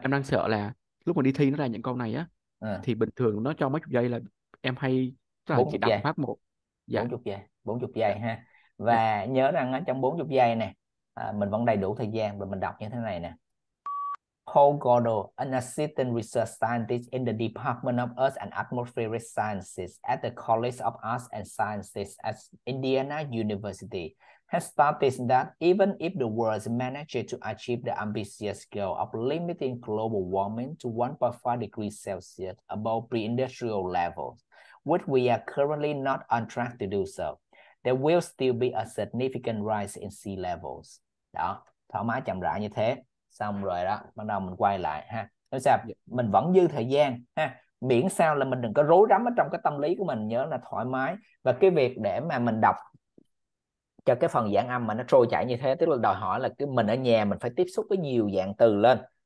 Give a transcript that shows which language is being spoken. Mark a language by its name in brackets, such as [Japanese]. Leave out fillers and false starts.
[Vietnamese] Em đang sợ là lúc mà đi thi nó ra những câu này á, thì bình thường nó cho mấy chục giây là em hay là chỉ đọc phát một. Dạ. 40 giây. 40 giây ha. Và nhớ rằng trong 40 giây nè, mình vẫn đầy đủ thời gian và mình đọc như thế này nè. [English] Paul Goddard, an assistant research scientist in the Department of Earth and Atmospheric Sciences at the College of Arts and Sciences at Indiana University, has stated that even if the world manages to achieve the ambitious goal of limiting global warming to 1.5 degrees Celsius above pre-industrial levels, which we are currently not on track to do so, there will still be a significant rise in sea levels. [Vietnamese] Đó, thoải mái chậm rãi như thế. Xong rồi đó, bắt đầu mình quay lại ha. Nói sao? Mình vẫn dư thời gian ha. Miễn sao là mình đừng có rối rắm ở trong cái tâm lý của mình, nhớ là thoải mái. Và cái việc để mà mình đọc cho cái phần giảng âm mà nó trôi chảy như thế, tức là đòi hỏi là cái mình ở nhà mình phải tiếp xúc với nhiều dạng từ lên.